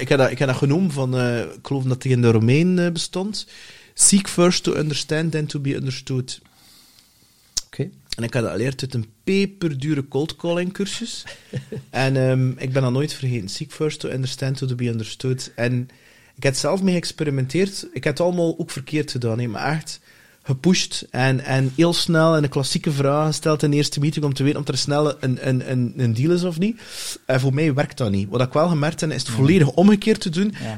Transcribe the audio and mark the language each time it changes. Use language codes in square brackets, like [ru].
[nl] ik heb dat genoemd van, ik geloof dat het in de Romein bestond. [en] Seek first to understand, then to be understood. [nl] Oké. En ik had dat geleerd uit een peperdure cold calling cursus. En ik ben dat nooit vergeten. [en] Seek first to understand, to be understood. [nl] En ik heb zelf mee geëxperimenteerd. Ik heb het allemaal ook verkeerd gedaan. Maar echt gepusht en heel snel en een klassieke vraag gesteld in de eerste meeting om te weten of er snel een deal is of niet. En voor mij werkt dat niet. Wat ik wel gemerkt heb, is het volledig omgekeerd te doen. Ja.